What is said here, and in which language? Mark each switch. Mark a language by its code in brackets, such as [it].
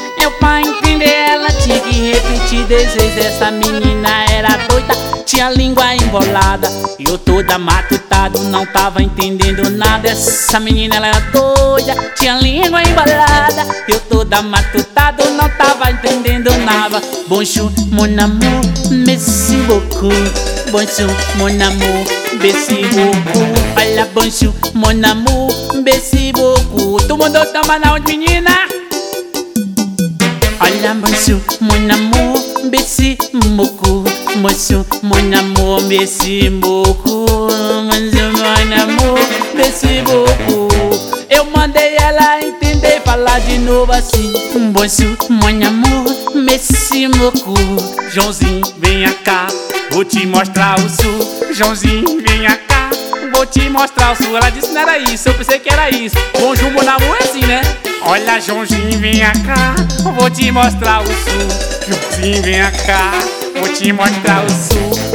[pt] Eu pra entender ela tinha que repetir 10 vezes. Essa menina era doida, tinha a língua embolada. Eu toda matutado não tava entendendo nada. Essa menina ela era doida, tinha a língua embolada. Eu toda matutado não tava entendendo nada. [fr] Bonjour mon amour, merci beaucoup. Bonjour mon amour, merci beaucoup. Olha, bonjour mon amour, merci beaucoup. [pt] Tu mandou tomar na onde, menina? [fr] Olha, bonjour mon amour, merci beaucoup. Bonjour mon amour, merci beaucoup. Bonjour mon amour, merci beaucoup. [pt] Eu mandei ela entender, falar de novo assim. [fr] Bonjour mon amour, merci beaucoup. [pt] Joãozinho, vem cá, vou te mostrar o sul. Joãozinho, vem cá, vou te mostrar o sul. Ela disse que não era isso, eu pensei que era isso. [fr] Bonjour mon amour [pt] é assim, né? Olha, Joãozinho, vem cá, vou te mostrar o sul. Joãozinho, vem cá, vou te mostrar o sul.